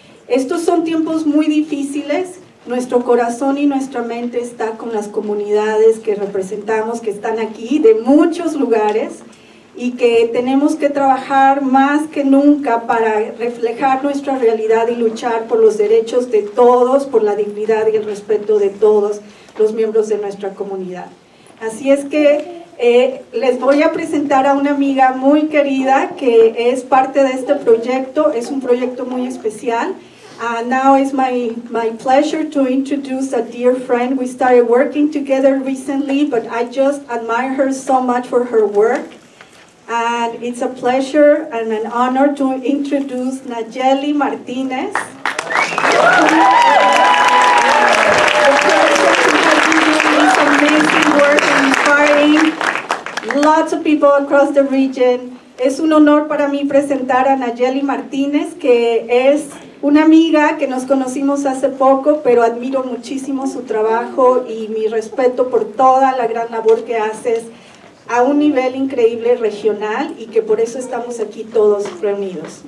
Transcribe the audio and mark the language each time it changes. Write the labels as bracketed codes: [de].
[es] Estos son tiempos muy difíciles. Nuestro corazón y nuestra mente está con las comunidades que representamos, que están aquí de muchos lugares y que tenemos que trabajar más que nunca para reflejar nuestra realidad y luchar por los derechos de todos, por la dignidad y el respeto de todos los miembros de nuestra comunidad. Así es que les voy a presentar a una amiga muy querida que es parte de este proyecto. Es un proyecto muy especial. [en] Now it's my pleasure to introduce a dear friend. We started working together recently, but I just admire her so much for her work. And it's a pleasure and an honor to introduce Nayeli Martinez. She's amazing work and inspiring lots of people across the region. [es] Es un honor para mí presentar a Nayeli Martinez, que es una amiga que nos conocimos hace poco, pero admiro muchísimo su trabajo y mi respeto por toda la gran labor que haces a un nivel increíble regional, y que por eso estamos aquí todos reunidos.